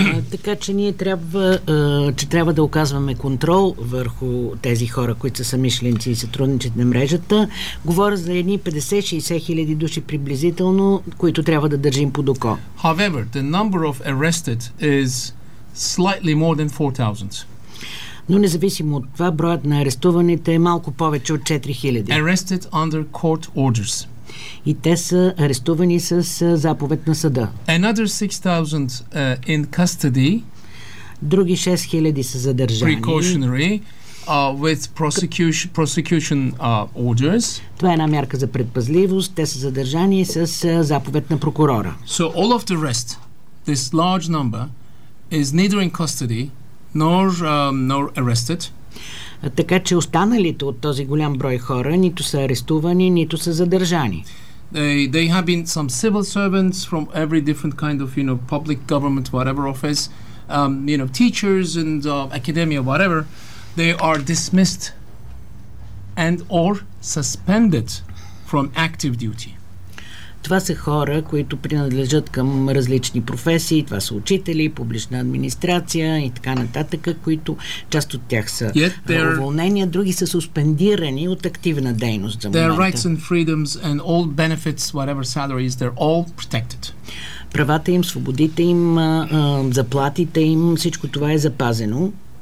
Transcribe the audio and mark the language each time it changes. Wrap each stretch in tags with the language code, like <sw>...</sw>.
<bg>Така че ние трябва да оказваме контрол върху тези хора, които са самишленци и сътрудничат на мрежата. Говоря за едни 50-60 хиляди души приблизително, които трябва да държим под око.</bg> <en>However, the number of arrested is slightly more than 4,000.</en> <bg>Но независимо от това, броят на арестуваните е малко повече от 4,000.</bg> <en>Arrested under court orders.</en> <bg>И те са арестувани с заповед на съда.</bg> <en>Another 6,000 in custody.</en> <bg>други 6000 са задържани.</bg> <en>Precautionary with prosecution orders.</en> <bg>Това е една мярка за предпазливост. Те са задържани с заповед на прокурора.</bg> <en>So all of the rest, this large number, is neither in custody nor nor arrested.</en> <bg>Така че останалите от този голям брой хора нито са арестувани, нито са задържани.</bg> <en>They have been some civil servants from every different kind of, you know, public government, whatever office, you know, teachers and academia, whatever. They are dismissed and or suspended from active duty.</en> <bg>Това са хора, които принадлежат към различни професии. Това са учители, публична администрация и така нататък, които част от тях са уволнени, а други са суспендирани от активна дейност за момента.</bg> <en>Their rights and freedoms and all benefits, whatever salaries, they're all protected.</en> <bg>Правата им, свободите им, заплатите им, всичко това е запазено.</bg>